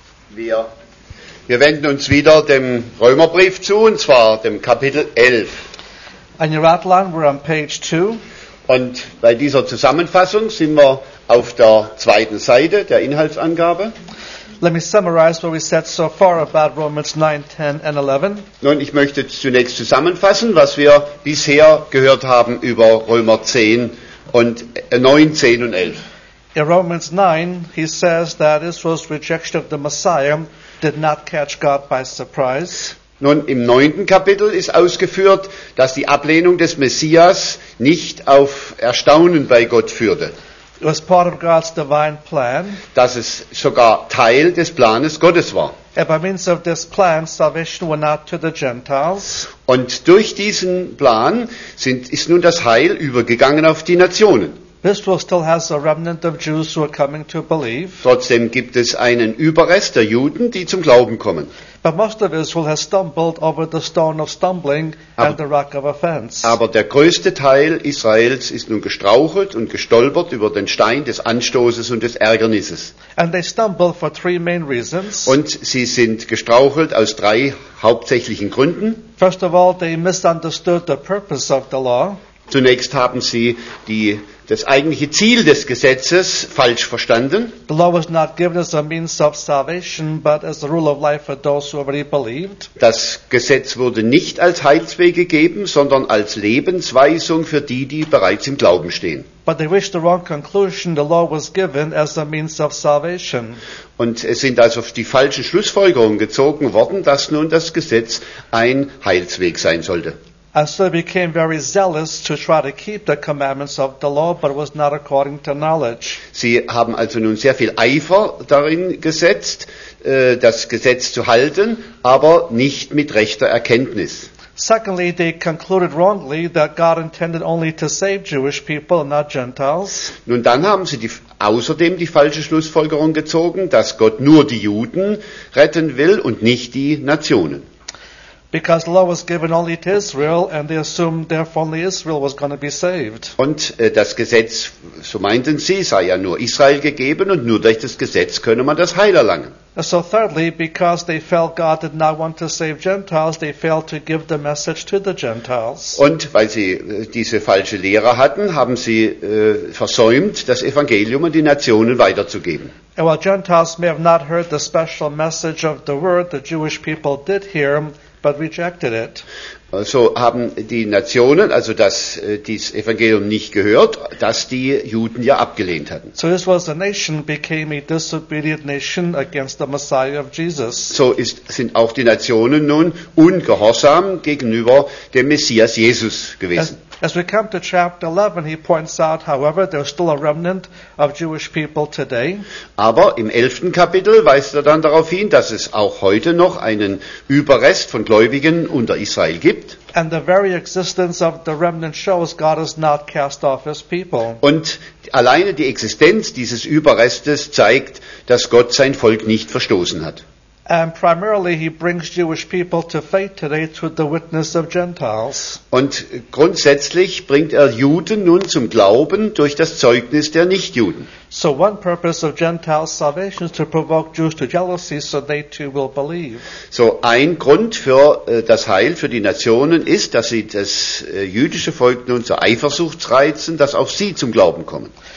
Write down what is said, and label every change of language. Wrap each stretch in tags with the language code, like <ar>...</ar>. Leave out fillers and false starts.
<de>Wir wenden uns wieder dem Römerbrief zu, und zwar dem Kapitel 11.</de> <en>On your outline, we're on page 2.</en> <de>Und bei dieser Zusammenfassung sind wir auf der zweiten Seite der Inhaltsangabe.</de> <en>Let me summarize what we said so far about Romans 9, 10 and 11.</en> <de>Nun, ich möchte zunächst zusammenfassen, was wir bisher gehört haben über Römer 10 und 9, 10 und 11.</de> <en>In Romans 9, he says that Israel's rejection of the Messiah did not catch God by surprise.</en> <de>Nun, im 9. Kapitel ist ausgeführt, dass die Ablehnung des Messias nicht auf Erstaunen bei Gott führte.</de> <en>It was part of God's divine plan.</en> <de>Dass es sogar Teil des Planes Gottes war.</de> <en>And by means of this plan, salvation went out to the Gentiles.</en> <de>Und durch diesen Plan ist nun das Heil übergegangen auf die Nationen.</de> <en>Israel still has a remnant of Jews who are coming to believe.</en> <de>Trotzdem gibt es einen Überrest der Juden, die zum Glauben kommen.</de> <en>But most of Israel has stumbled over the stone of stumbling and the rock of offense.</en> <de>Aber der größte Teil Israels ist nun gestrauchelt und gestolpert über den Stein des Anstoßes und des Ärgernisses.</de> <en>And they stumble for three main reasons.</en> <de>Und sie sind gestrauchelt aus drei hauptsächlichen Gründen.</de> <en>First of all, they misunderstood the purpose of the law.</en> <de>Zunächst haben sie das eigentliche Ziel des Gesetzes falsch verstanden.</de> <en>The law was not given as a means of salvation, but as a rule of life for those who already believed.</en> <de>Das Gesetz wurde nicht als Heilsweg gegeben, sondern als Lebensweisung für die, die bereits im Glauben stehen.</de> <en>But they reached the wrong conclusion. The law was given as a means of salvation.</en> <de>Und es sind also die falschen Schlussfolgerungen gezogen worden, dass nun das Gesetz ein Heilsweg sein sollte.</de> <en>And so they became very zealous to try to keep the commandments of the law, but it was not according to knowledge.</en> <de>Sie haben also nun sehr viel Eifer darin gesetzt, das Gesetz zu halten, aber nicht mit rechter Erkenntnis.</de> <en>Secondly, they concluded wrongly that God intended only to save Jewish people, not Gentiles.</en> <de>Nun, dann haben sie außerdem die falsche Schlussfolgerung gezogen, dass Gott nur die Juden retten will und nicht die Nationen.</de> <en>Because the law was given only to Israel, and they assumed therefore only Israel was going to be saved.</en> <de>Und das Gesetz, so meinten sie, sei ja nur Israel gegeben, und nur durch das Gesetz könne man das Heil erlangen.</de> <en>So thirdly, because they felt God did not want to save Gentiles, they failed to give the message to the Gentiles.</en> <de>Und weil sie diese falsche Lehre hatten, haben sie versäumt, das Evangelium an die Nationen weiterzugeben.</de> <en>And while Gentiles may have not heard the special message of the word, the Jewish people did hear. But rejected it.</en> <de>So haben die Nationen, also dieses Evangelium nicht gehört, das die Juden ja abgelehnt hatten.</de> <en>So Israel as a nation became a disobedient nation against the Messiah of Jesus.</en> <de>So sind auch die Nationen nun ungehorsam gegenüber dem Messias Jesus gewesen.</de> <en>As we come to chapter 11, he points out, however, there's still a remnant of Jewish people today.</en> <de>Aber im 11. Kapitel weist dann darauf hin, dass es auch heute noch einen Überrest von Gläubigen unter Israel gibt.</de> <en>And the very existence of the remnant shows God has not cast off his people.</en> <de>Und alleine die Existenz dieses Überrestes zeigt, dass Gott sein Volk nicht verstoßen hat.</de> <en>And primarily he brings Jewish people to faith today through the witness of Gentiles.</en> <de>Und grundsätzlich bringt Juden nun zum Glauben durch das Zeugnis der Nichtjuden.</de> <en>So one purpose of Gentile salvation is to provoke Jews to jealousy so they too will believe.</en> <de>So ein Grund für das Heil für die Nationen ist, dass sie das jüdische Volk nun zur Eifersucht reizen, dass auch sie zum Glauben kommen.</de>